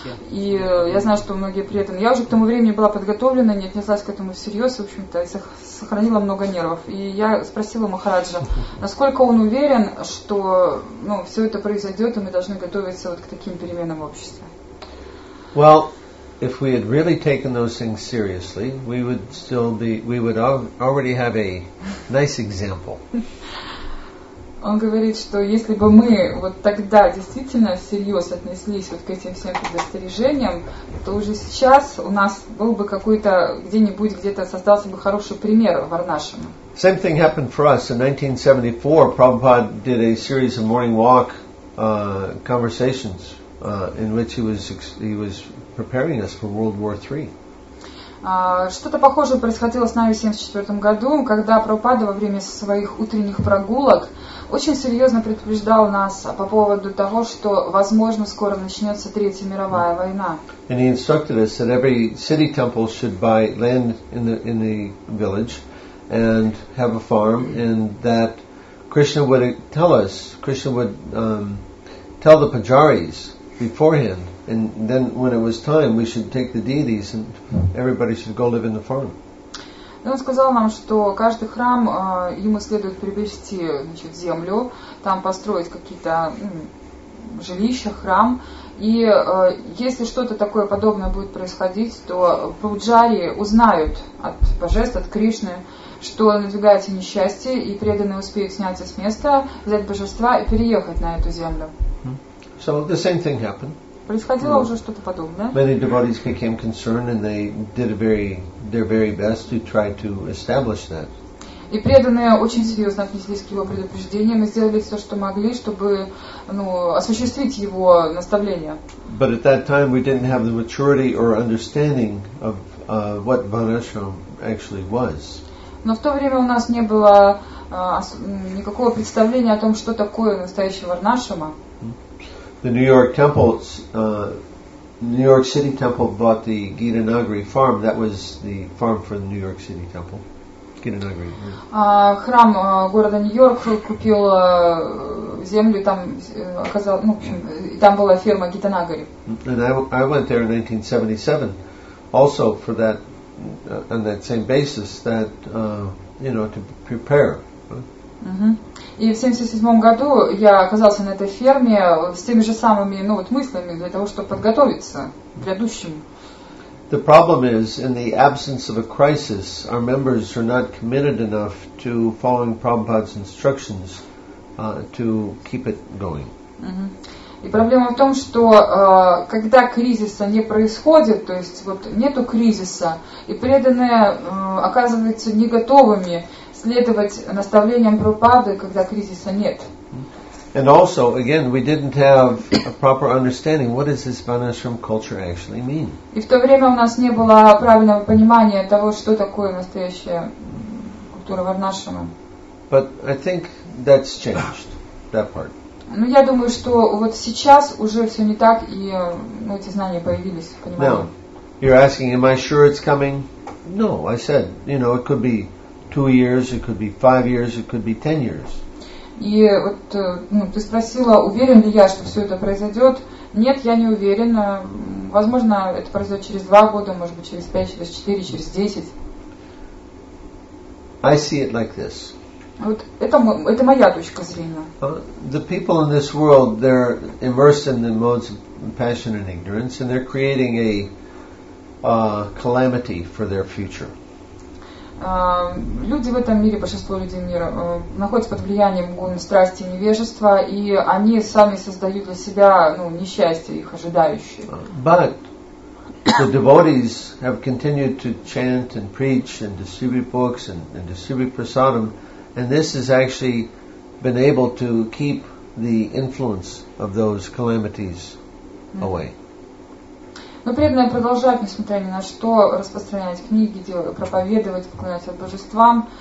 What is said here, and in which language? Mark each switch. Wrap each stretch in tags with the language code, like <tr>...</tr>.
<ru>И я знаю, что многие преданы. Я уже к тому времени была подготовлена, не отнеслась к этому всерьез, в общем-то, и сохранила много нервов. И я спросила Махараджа, насколько он уверен, что все это произойдет, и мы должны готовиться вот к таким переменам в обществе.</ru> <en>Well, if we had really taken those things seriously, we would still be, we would already have a nice example.</en> <ru>Он говорит, что если бы мы вот тогда действительно всерьез отнеслись вот к этим всем предостережениям, то уже сейчас у нас был бы какой-то где-нибудь где-то создался бы хороший пример Варнашрама.</ru> <en>Same thing happened for us in 1974. Prabhupada did a series of morning walk conversations. In which he was preparing us for World War III.</en> <ru>Что-то похожее происходило с нами в 1974 году, когда Прабхупада во время своих утренних прогулок очень серьезно предупреждал нас по поводу того, что, возможно, скоро начнется Третья мировая война.</ru> <en>And he instructed us that every city temple should buy land in the village and have a farm, and that Krishna would tell the pujaris beforehand, and then when it was time, we should take the deities, and everybody should go live in the farm.</en> <ru>Он сказал нам, что каждый храм ему следует приобрести, значит, землю, там построить какие-то жилище, храм. И если что-то такое подобное будет происходить, то пуджари узнают от божеств, от Кришны, что надвигается несчастье, и преданные успеют сняться с места, взять божества и переехать на эту землю.</ru> <en>So the same thing happened.</en> <ru>Происходило уже что-то подобное.</ru> <en>Many devotees became concerned and they did their very best to try to establish that.</en> <ru>И преданные очень серьезно отнеслись к его предупреждениям и сделали все, что могли, чтобы осуществить его наставление.</ru> <en>But at that time we didn't have the maturity or understanding of what Varnashram actually was.</en> <ru>Но в то время у нас не было никакого представления о том, что такое настоящий Варнашрама.</ru> <en>The New York Temple, New York City Temple bought the Gita Nagari farm. That was the farm for the New York City Temple. Gita Nagari.</en> <ru>Храм города Нью-Йорк купил землю там, оказал, ну, в общем, там была ферма Gita Nagari.</ru> <en>And I went there in 1977, also for that, on that same basis, that to prepare.</en> <ru>И в 77 году я оказался на этой ферме с теми же самыми, мыслями для того, чтобы подготовиться к грядущему.</ru> <en>The problem is, in the absence of a crisis, our members are not committed enough to following Prabhupada's instructions to keep it going.</en> <ru>И проблема в том, что когда кризиса не происходит, то есть вот нету кризиса, и преданные оказываются не готовыми следовать наставлениям Прабхупады, когда кризиса нет.</ru> <en>And also, again, we didn't have a proper understanding what does this Varnashram culture actually mean.</en> <ru>И в то время у нас не было правильного понимания того, что такое настоящая культура Варнашрама.</ru> <en>But I think that's changed, that part.</en> <ru>Ну, я думаю, что вот сейчас уже все не так, и эти знания появились, понимаете?</ru> <en>Now, you're asking, am I sure it's coming? No, I said, it could be 2 years, it could be 5 years, it could be 10 years.</en> <ru>И вот ты спросила, уверен ли я, что все это произойдет? Нет, я не уверен. Возможно, это произойдет через 2 года, может быть, через 5, через 4, через 10.</ru> <en>I see it like this.</en> <ru>Вот это моя точка зрения.</ru> <en>The people in this world, they're immersed in the modes of passion and ignorance, and they're creating a calamity for their future.</en> <ru>Люди в этом мире, большинство людей мира, находятся под влиянием гун, страсти и невежества, и они сами создают для себя несчастье их ожидающее.</ru> <en>But the devotees have continued to chant and preach and distribute books and distribute prasadam. And this has actually been able to keep the influence of those calamities away.</en> <ru>Но преданные продолжают, несмотря ни на что, распространять книги, проповедовать, поклоняться божествам.</ru>